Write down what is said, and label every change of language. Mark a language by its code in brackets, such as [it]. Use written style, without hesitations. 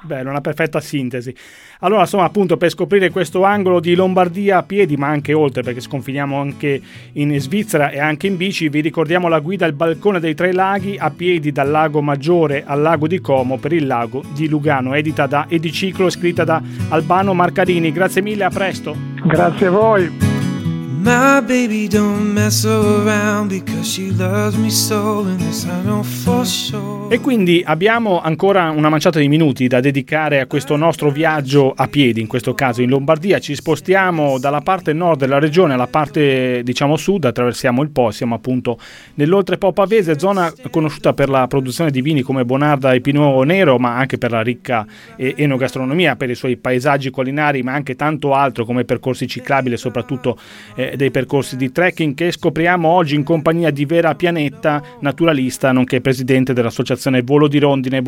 [it] Bello, una perfetta sintesi. Allora, insomma, appunto, per scoprire questo angolo di Lombardia a piedi, ma anche oltre, perché sconfiniamo anche in Svizzera e anche in bici, vi ricordiamo la guida al balcone dei tre laghi a piedi dal Lago Maggiore al Lago di Como per il Lago di Lugano, edita da Ediciclo, scritta da Albano Marcarini. Grazie mille, a presto. Grazie a voi. [en] My baby don't mess around because she loves me so and this I know for sure. [it] E quindi abbiamo ancora una manciata di minuti da dedicare a questo nostro viaggio a piedi, in questo caso in Lombardia. Ci spostiamo dalla parte nord della regione alla parte, diciamo, sud, attraversiamo il Po, siamo appunto nell'Oltrepò Pavese, zona conosciuta per la produzione di vini come Bonarda e Pinot Nero, ma anche per la ricca enogastronomia, per i suoi paesaggi collinari, ma anche tanto altro come percorsi ciclabili, soprattutto dei percorsi di trekking, che scopriamo oggi in compagnia di Vera Pianetta, naturalista, nonché presidente della Associazione Volo di Rondine.